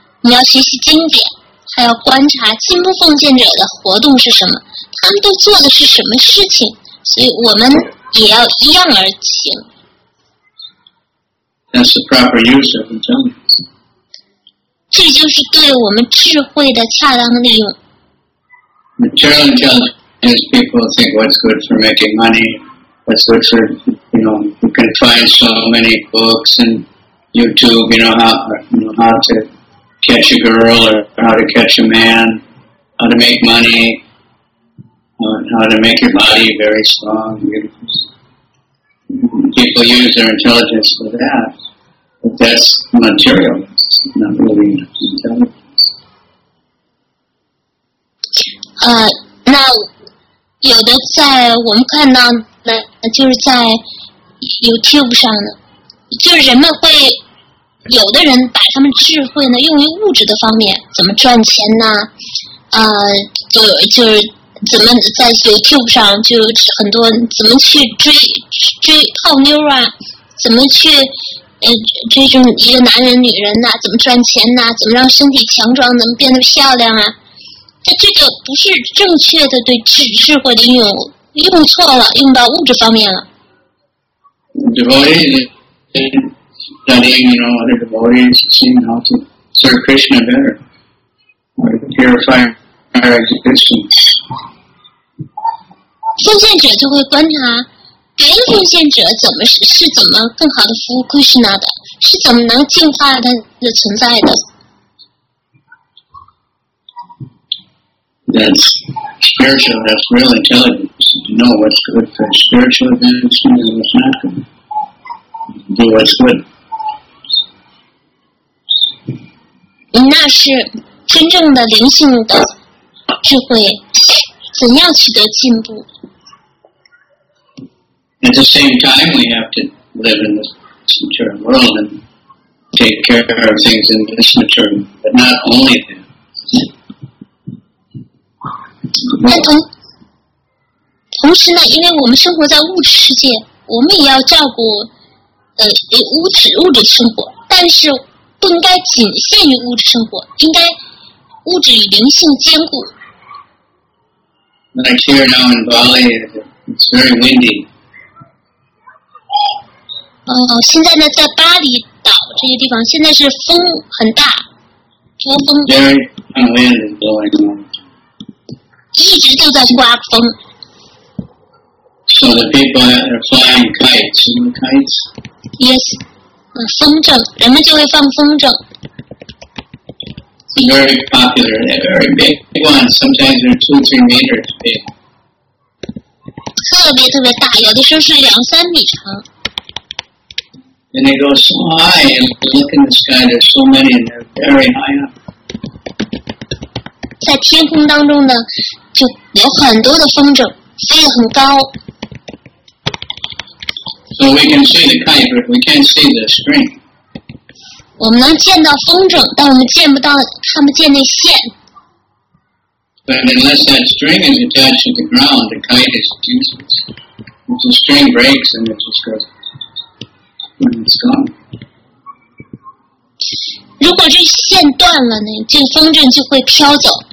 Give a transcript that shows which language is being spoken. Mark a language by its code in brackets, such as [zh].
[zh] 你要学习经典，还要观察进步奉献者的活动是什么，他们都做的是什么事情，所以我们也要一样而行。 [en] That's the proper use of intelligence. [zh] 这就是对我们智慧的恰当的利用。 [en] Material intelligence, people think what's good for making money, what's good for, you know, you can find so many books and YouTube, how to catch a girl or how to catch a man, how to make money, how to make your body very strong, beautiful. People use their intelligence for that, but that's material, it's not really intelligence. [zh] 那有的在我们看到呢，就是在 YouTube 上呢，就是人们会有的人把他们智慧呢用于物质的方面，怎么赚钱呢？就是怎么在 YouTube 上就很多怎么去追泡妞啊，怎么去追这种一个男人女人呐、啊，怎么赚钱呐、啊，怎么让身体强壮能变得漂亮啊？这个不是正确的对智慧的应用，用错了，用到物质方面了。 [en] Devotees studying, other devotees, seeing how to serve Krishna better, how to purify our existence. [zh] 奉献者就会观察别的奉献者怎么更好的服务 Krishna 的，是怎么能净化他的存在的。 [en] That's spiritual, that's real intelligence. To know what's good for spiritual advancement and what's not good. Do what's good. [zh] 那是真正的灵性的智慧，怎样取得进步？ [en] At the same time, we have to live in this material world and take care of things in this material world, but not only that. [zh] 同时呢，因为我们生活在物质世界，我们也要照顾物质生活，但是不应该仅限于物质生活，应该物质与灵性兼顾。 [en] Like here now in Bali, it's very windy. [zh] 现在呢，在巴厘岛这个地方，现在是风很大。 Yeah, 刮风。 [en] Very unwind and blowing wind. [zh] 一直就在刮风。 [en] So the people are flying kites, you know kites? [zh] Yes. 风筝，人们就会放风筝。 [en] Very popular, they're very big ones. Sometimes they're 2-3 meters big. [zh] 特别特别大，有的时候是2-3米长。 [en] And they go so high, and look in the sky, there's so many, and they're very high up. [zh] 在天空当中呢，就有很多的风筝，飞得很高。 [en] So we can see the kite, but we can't see the string. [zh] 我们能见到风筝，但我们见不到看不见那线。 [en] But unless that string is attached to the ground, the kite is useless. If the string breaks, then it just goes, and it's gone. [zh] 如果这线断了呢，这风筝就会飘走。